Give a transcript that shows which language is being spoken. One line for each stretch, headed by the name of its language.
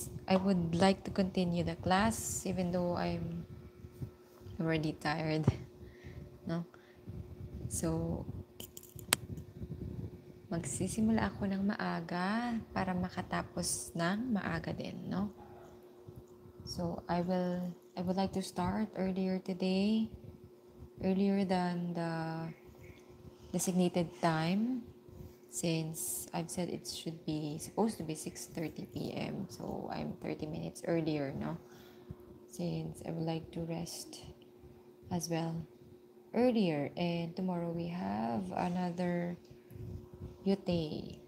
English: I would like to continue the class even though I'm already tired. No.
Filipino: So magsisimula ako ng maaga para makatapos ng maaga din, no?
English: So I would like to start earlier today. Earlier than the designated time, since I've said it should be supposed to be 6:30 p.m. so I'm 30 minutes earlier, no? Since I would like to rest as well earlier, and tomorrow we have another yutei.